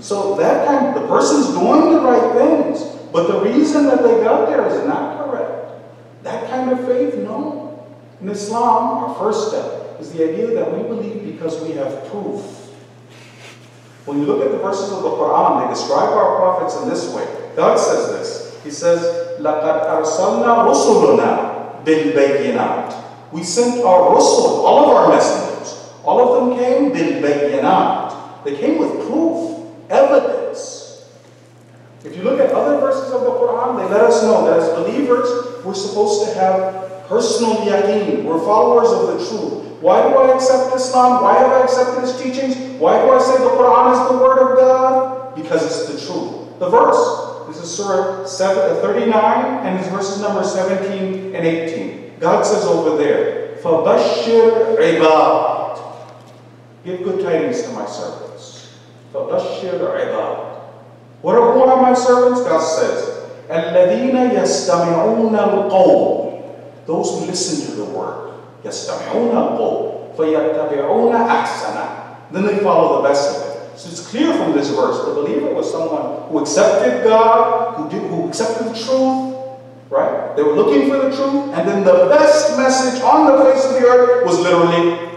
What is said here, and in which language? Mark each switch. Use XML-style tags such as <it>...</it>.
<en>So that time, the person's doing the right things, but the reason that they got there is not correct. That kind of faith, no. In Islam, our first step is the idea that we believe because we have proof. When you look at the verses of the Quran, they describe our prophets in this way. God says this. He says,</en> <ar>لَقَدْ أَرْسَلْنَا رُسُلُنَا بِالْبَيِّنَاتِ.</ar> <en>We sent our rusul, all of our messengers. All of them came بِالْبَيِّنَاتِ. They came with proof, evidence. If you look at other verses of the Quran, they let us know that as believers, we're supposed to have personal yaqeen. We're followers of the truth. Why do I accept Islam? Why have I accepted His teachings? Why do I say the Quran is the word of God? Because it's the truth. The verse, this is Surah 39 and it's verses number 17 and 18. God says over there,</en> <ar>فَبَشِّرْ عِبَادِ.</ar> <en>Give good tidings to my servants.</en> <ar>فَبَشِّرْ عِبَادِ.</ar> <en>What are one of my servants? God says,</en> <ar>الَّذِينَ يَسْتَمِعُونَ الْقَوْلِ.</ar> <en>Those who listen to the word.</en> <ar>يَسْتَمِعُونَ الْقَوْلِ فَيَتَّبِعُونَ أَحْسَنَ.</ar> <en>Then they follow the best of it. So it's clear from this verse, the believer was someone who accepted God, who accepted the truth, right? They were looking for the truth, and then the best message on the face of the earth was literally</en>